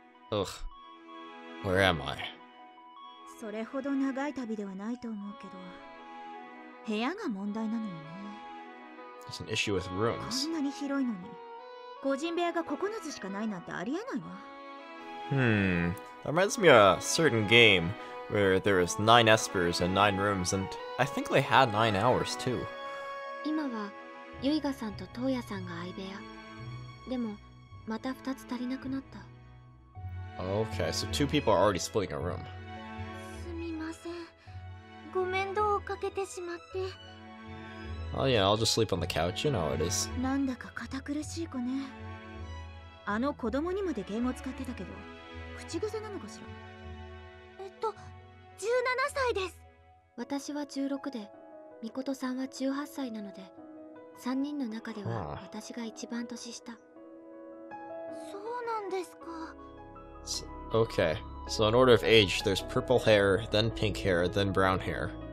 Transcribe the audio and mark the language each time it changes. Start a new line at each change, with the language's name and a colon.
English: Ugh. Where am I?
Japanese: それほど長い旅ではないと思うけど、部屋が問題なのよね。
English: It's an issue with rooms.
Japanese: こんなに広いのに、個人部屋が9つしかないなんてありえないわ。
English: That reminds me of a certain game. Where there is 9 espers and 9 rooms, and I think they had 9 hours too.
Japanese: 今は、ユイガさんとトウヤさんが相部屋。でも、また2つ足りなくなった。
English: Okay, so 2 people are already splitting a room.
Japanese: すみません。ご面倒をかけてしまって。
English: Oh yeah, I'll just sleep on the couch, you know it is.
Japanese: なんだか堅苦しい子ね。あの子供にまで言語使ってたけど、口癖なのかしら。 17歳です。私は16で、ミコトさんは18歳なので、 3人の中では私が一番年下。そうなんですか。
English: Okay. So in order of age, there's purple hair, then pink hair, then brown hair.